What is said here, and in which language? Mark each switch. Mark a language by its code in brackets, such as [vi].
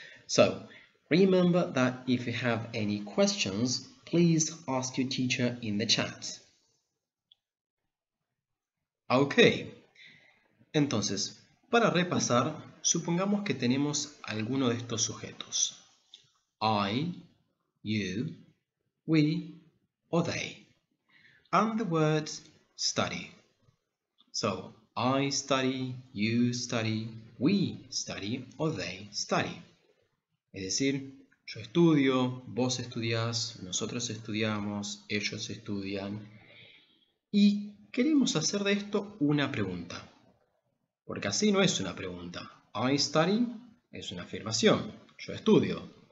[en] So, remember that if you have any questions, please ask your teacher in the chat. [es] Okay, entonces, Para repasar, supongamos que tenemos alguno de estos sujetos. [en] I, you, we, or they. And the word study. So, I study, you study, we study, or they study. [es] Es decir, yo estudio, vos estudiás, nosotros estudiamos, ellos estudian. Y queremos hacer de esto una pregunta. Porque así no es una pregunta. [en] I study [es] es una afirmación. Yo estudio.